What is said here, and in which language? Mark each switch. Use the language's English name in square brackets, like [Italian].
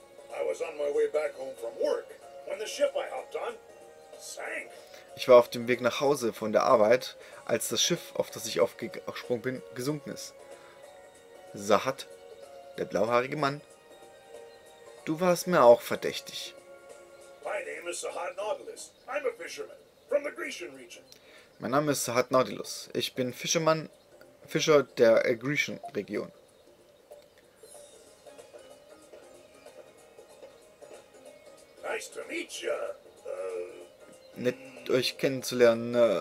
[English] I was on my way back home from work when the ship I hopped on sank. [German] Ich war auf dem Weg nach Hause von der Arbeit, als das Schiff, auf das ich aufgesprungen bin, gesunken ist. Zahat, der blauhaarige Mann. Du warst mir auch verdächtig. [English] My name is Zahat Nautilus. I'm a fisherman from the Grecian region. [German] Mein Name ist Zahat Nautilus. Ich bin Fischer der Grecian Region. [English] Nice to meet you. [German] Nett, euch kennenzulernen.